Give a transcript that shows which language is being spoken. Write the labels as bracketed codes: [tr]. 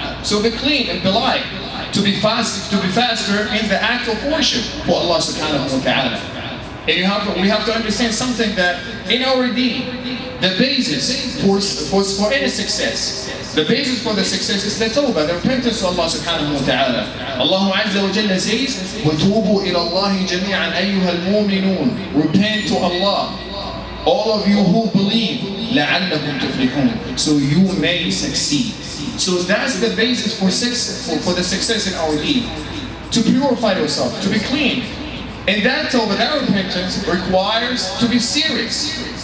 [en] So be clean and be light, to be faster in the act of worship for Allah subhanahu wa ta'ala. And you have to, we have to understand something, that in our deen, the basis for any success, the basis for the success is the tawbah, the repentance to Allah subhanahu wa ta'ala. [ar] Allah Azza wa Jalla says, وَتُوبُوا إِلَى اللَّهِ جَمِيعًا أَيُّهَا الْمُؤْمِنُونَ. [en] Repent to Allah, all of you who believe, [ar] لَعَلَّكُمْ تُفْلِحُونَ. [en] So you may succeed. So that's the basis for success, for the success in our deen. To purify yourself, to be clean. And that tawbah, that repentance requires to be serious.